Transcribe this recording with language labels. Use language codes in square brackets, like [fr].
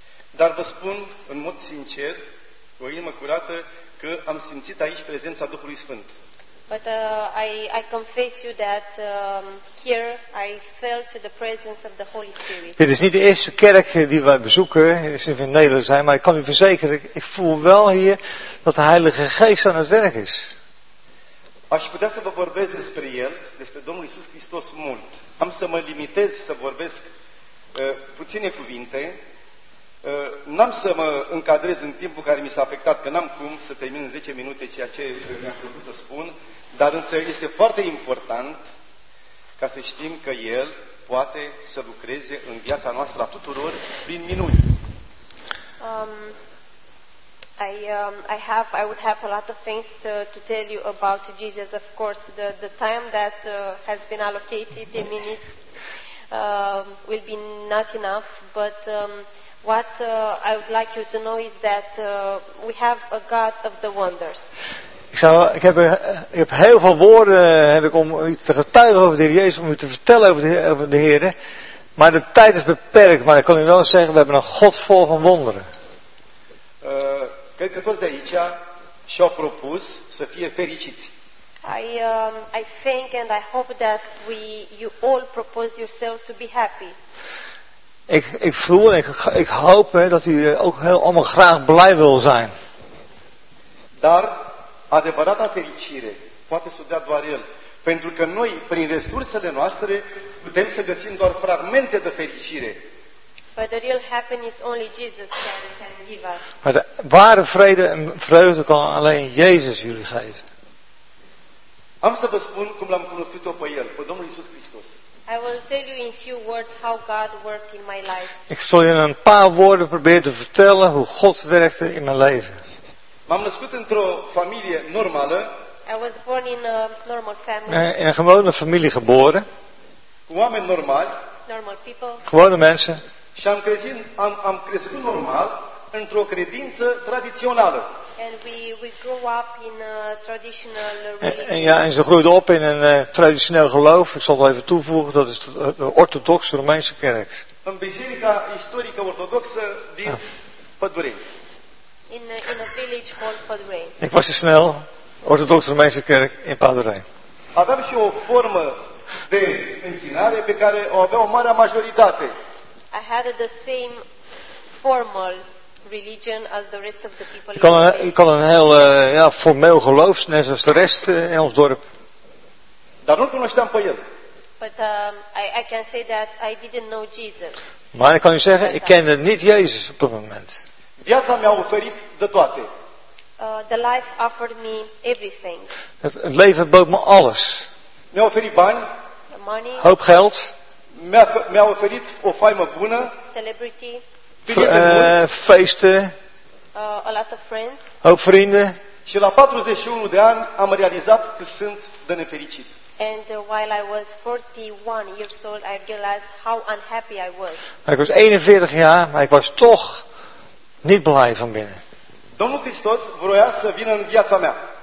[ro] Dar vă spun în mod sincer, cu o inimă curată, că am simțit aici prezența Duhului Sfânt. [en] But I confess you that here I felt the presence of the Holy Spirit. [nl] Dit is niet de eerste kerk die wij bezoeken, is in Nederland zijn, maar ik kan u verzekeren, ik voel wel hier dat de Heilige Geest aan het werk is. [ro] Aș putea să vă vorbesc despre El, despre Domnul Iisus Hristos mult. Am să mă limitez să vorbesc puține cuvinte. N-am să mă încadrez în timpul care mi s-a afectat, că n-am cum să termin în 10 minute ceea ce mi-am propus să spun, dar însă este foarte important ca să știm că El poate să lucreze în viața noastră a tuturor prin minuni. [en] I would have a lot of things to tell you about Jesus, of course. The time that has been allocated in minutes will be not enough. But what I would like you to know is that we have a God of the wonders. [nl] Ik heb heel veel woorden heb ik om u te getuigen over de Heer Jezus, om u te vertellen over de Heer. Maar de tijd is beperkt, maar ik kan u wel zeggen, we hebben een God vol van wonderen. [ro] Cred că toți de aici și-au propus să fie fericiți. [en] I think and I hope that you all propose yourself to be happy. [nl] Ik voel en ik hoop dat u ook heel allemaal graag blij wil zijn. [ro] Dar adevărata fericire poate să o dea doar el, pentru că noi prin resursele noastre putem să găsim doar fragmente de fericire. [en] But the real happiness only Jesus can give us. [nl] Maar de ware vrede en vreugde kan alleen Jezus jullie geven. [ro] Am să vă spun cum l-am cunoscut-o pe el, pe Domnul Iisus Hristos. [en] I will tell you in few words how God worked in my life. [nl] Ik zal je in een paar woorden proberen te vertellen hoe God werkte in mijn leven. [ro] M-am născut într-o familie normală. [en] I was born in a normal family. [nl] In een gewone familie geboren. [ro] Cu oameni normali. [en] Normal people. [nl] Gewone mensen. [ro] Și am crescut normal într-o credință tradițională. [en] And we grew up in a traditional religion. [nl] En ze groeide op in een traditioneel geloof. Ik zal het even toevoegen, dat is de orthodoxe Romeinse kerk. [ro] Een biserica istorică ortodoxă din Pădurei. [en] In a village called Pădurei. [nl] Ik was snel orthodoxe Romeinse kerk in Pădurei. [ro] Aveam și o formă de închinare pe care o avea o mare majoritate. [en] I had the same formal religion as the rest of the people. [nl] Ik had een heel formeel geloof, net zoals de rest in ons dorp. [ro] Dar nu cunoșteam pe el. [en] But I can say that I didn't know Jesus. [nl] Maar ik kan u zeggen, ik kende niet Jezus op dat moment. [ro] Viața mi-a oferit de toate. [en] The life offered me everything. [nl] Het leven bood me alles. [ro] Mi-a oferit bani, [en] money, [nl] hoop geld. [ro] Mi-a oferit o faimă bună. [en] Celebrity. [nl] Feesten. [en] A lot of friends. [nl] Hoop vrienden. [ro] Și la 41 de ani am realizat că sunt de nefericit. [en] And while I was 41 years old, I realized how unhappy I was. [nl] Ik was 41 jaar, maar ik was toch niet blij van binnen. [ro] Domnul Hristos vroia să vină în viața mea.